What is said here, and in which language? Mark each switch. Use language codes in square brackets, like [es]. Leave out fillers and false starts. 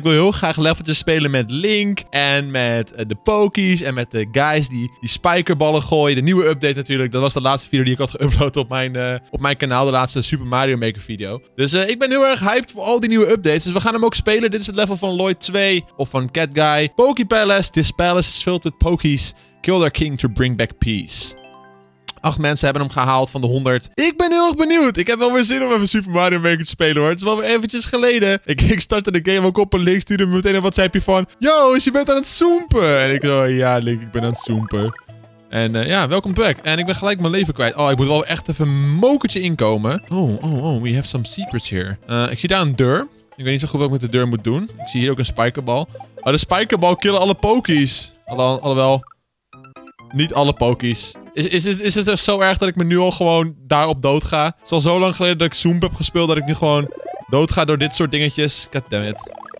[nl] Want ik wil heel graag leveltjes spelen met Link en met de Pokies en met de guys die spijkerballen gooien. De nieuwe update natuurlijk. Dat was de laatste video die ik had geüpload op mijn kanaal. De laatste Super Mario Maker video. Dus ik ben heel erg hyped voor al die nieuwe updates. Dus we gaan hem ook spelen. Dit is het level van Lloyd 2 of van Cat Guy. Poke Palace. [en] This palace is filled with Pokies. Kill their king to bring back peace. [nl] 8 mensen hebben hem gehaald van de 100. Ik ben heel erg benieuwd. Ik heb wel weer zin om even Super Mario Maker te spelen, hoor. Het is wel weer eventjes geleden. Ik startte de game ook op en Link stuurde me meteen een WhatsAppje van... Yo, je bent aan het zoempen. En ik dacht, ja, Link, ik ben aan het zoempen. En ja, welkom back. En ik ben gelijk mijn leven kwijt. Oh, ik moet wel echt even een mokertje inkomen. [en] Oh, we have some secrets here. [nl] Ik zie daar een deur. Ik weet niet zo goed wat ik met de deur moet doen. Ik zie hier ook een spijkerbal. Oh, de spijkerbal killen alle pokies. Alhoewel... Niet alle pokies. Is het zo erg dat ik me nu al gewoon daarop dood ga? Het is al zo lang geleden dat ik Zoom heb gespeeld dat ik nu gewoon dood ga door dit soort dingetjes. [en] God damn it.